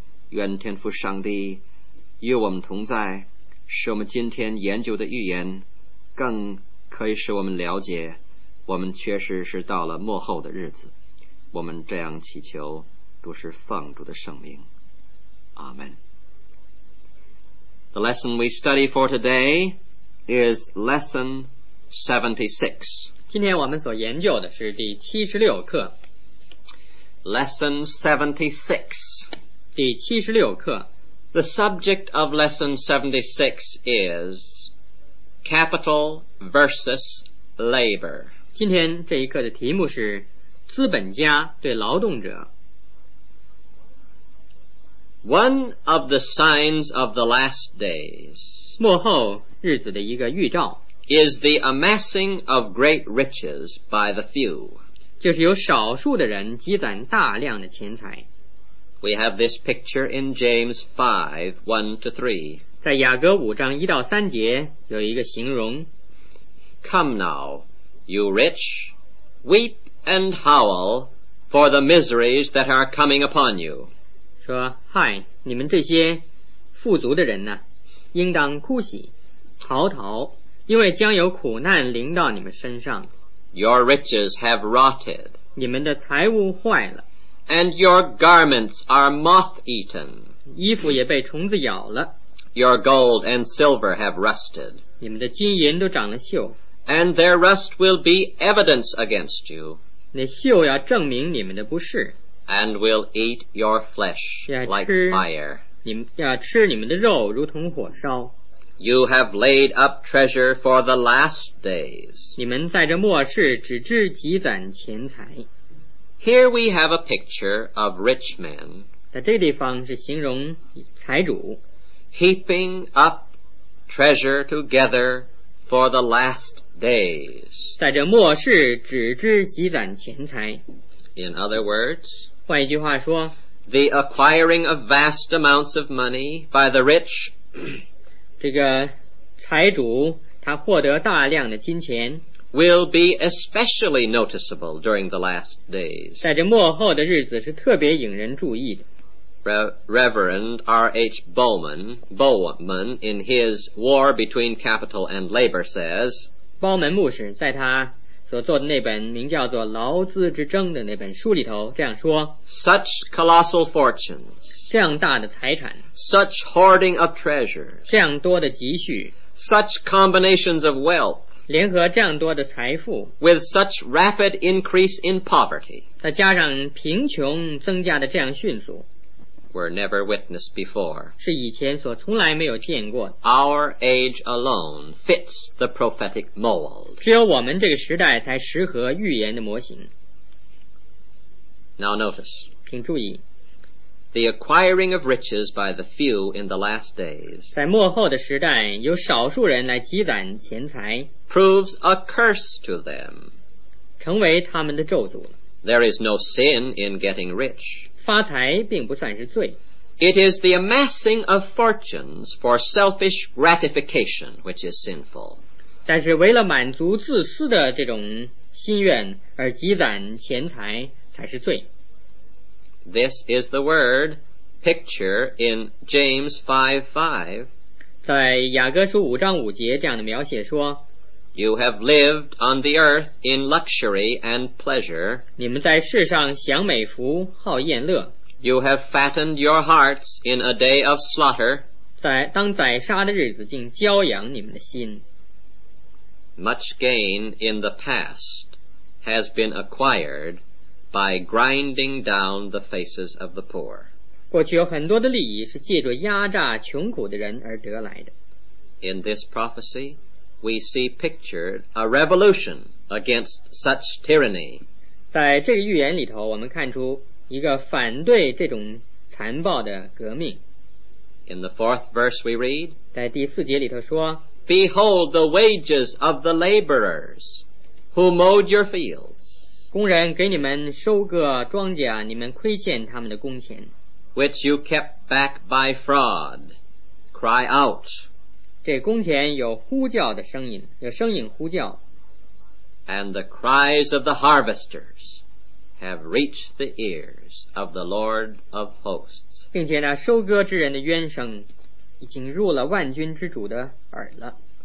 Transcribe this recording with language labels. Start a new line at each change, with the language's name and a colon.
Chinese: 愿天父上帝与我们同在，使我们今天研究的预言更可以使我们了解我们确实是到了末后的日子。我们这样祈求，都是奉主的圣名，阿们。
English: The lesson we study for today is lesson 76.
Chinese: 今天我们所研究的是第七十六课。
English: Lesson 76.
Chinese: 第七十六课。
English: The subject of lesson 76 is capital versus labor.
Chinese: 今天这一课的题目是资本家对劳动者。
English: One of the signs of the last days,
Chinese: 末后日子的一个预兆，
English: is the amassing of great riches by the few,
Chinese: 就是有少数的人积攒大量的钱财。
English: We have this picture in James 5:1-3,
Chinese: 在雅各五章一到三节有一个形容。
English: Come now, you rich, weep and howl for the miseries that are coming upon you.
Chinese: 说，嗨，你们这些富足的人呢，应当哭喜嚎啕，因为将有苦难临到你们身上。
English: Your riches have rotted,
Chinese: 你们的财物坏了。
English: And your garments are moth-eaten,
Chinese: 衣服也被虫子咬了。
English: Your gold and silver have rusted,
Chinese: 你们的金银都长了锈。
English: And their rust will be evidence against you,
Chinese: 那锈要证明你们的不是。
English: And will eat your flesh like fire,
Chinese: 要吃你们的肉如同火烧。
English: You have laid up treasure for the last days.
Chinese: 你们在这末世只知积攒钱财。
English: Here we have a picture of rich men.
Chinese: 在这地方是形容财主。
English: Heaping up treasure together for the last days.
Chinese: 在这末世只知积攒钱财。
English: In other words,
Chinese: 换一句话说，
English: The acquiring of vast amounts of money by the rich,
Chinese: 这个财主他获得大量的金钱，
English: will be especially noticeable during the last days.
Chinese: 在这末后的日子是特别引人注意的。
English: Reverend R.H. Bowman in his War Between Capital and Labor says,
Chinese: 包门牧师在他所做的那本名叫做《劳资之争》的那本书里头这样说，
English: Such colossal fortunes,
Chinese: 这样大的财产，
English: Such hoarding of treasures,
Chinese: 这样多的积蓄，
English: Such combinations of wealth,
Chinese: 联合这样多的财富，
English: With such rapid increase in poverty,
Chinese: 再加上贫穷增加的这样迅速，
English: Were never witnessed before,
Chinese: 是以前所从来没有见过的。
English: Our age alone fits the prophetic mold,
Chinese: 只有我们这个时代才适合预言的模型。
English: Now notice,
Chinese: 请注意，
English: The acquiring of riches by the few in the last days,
Chinese: 在末后的时代有少数人来积攒钱财，
English: Proves a curse to them,
Chinese: 成为他们的咒诅。
English: There is no sin in getting rich,
Chinese: 发财并不算是罪。
English: It is the amassing of fortunes for selfish gratification which is sinful,
Chinese: 但是为了满足自私的这种心愿而积攒钱财才是罪。
English: This is the word picture in James 5:5,
Chinese: 在雅各书五章五节这样的描写说，
English: You have lived on the earth in luxury and pleasure,
Chinese: 你们在世上享美福好宴乐。
English: You have fattened your hearts in a day of slaughter.
Chinese: 当宰杀的日子竟骄养你们的心。
English: Much gain in the past has been acquired by grinding down the faces of the poor.
Chinese: 过去有很多的利益是借着压榨穷苦的人而得来的。
English: In this prophecy, we see pictured a revolution against such tyranny.
Chinese: 在这个预言里头，我们看出一个反对这种残暴的革命。
English: In the fourth verse we read,
Chinese: 在第四节里头说，
English: Behold the wages of the laborers who mowed your fields,
Chinese: 工人给你们收割庄稼，你们亏欠他们的工钱。
English: Which you kept back by fraud, cry out.
Chinese: 这工钱有呼叫的声音，有声音呼叫。
English: And the cries of the harvesters have reached the ears of the Lord of hosts.
Chinese: 并且呢，收割之人的冤声已经入了万军之主的耳了。